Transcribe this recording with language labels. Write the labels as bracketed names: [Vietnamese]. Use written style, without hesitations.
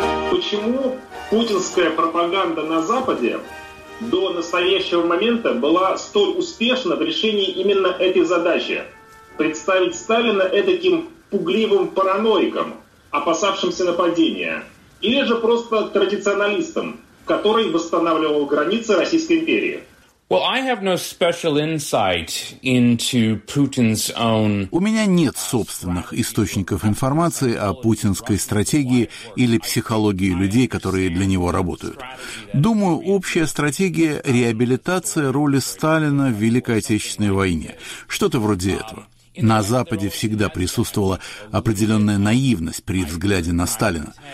[Russian] Почему путинская пропаганда на Западе до настоящего момента была столь успешна в решении именно этой задачи? Представить Сталина этаким пугливым параноиком, опасавшимся нападения, или же просто традиционалистом, который восстанавливал границы Российской империи? [English] Well, I have no special insight into Putin's own. [Russian] У меня нет собственных источников информации о путинской стратегии или психологии людей, которые для него работают. Думаю, общая стратегия — реабилитация роли Сталина в Великой Отечественной войне. Что-то вроде этого. На Западе всегда присутствовала определенная наивность при взгляде на Сталина.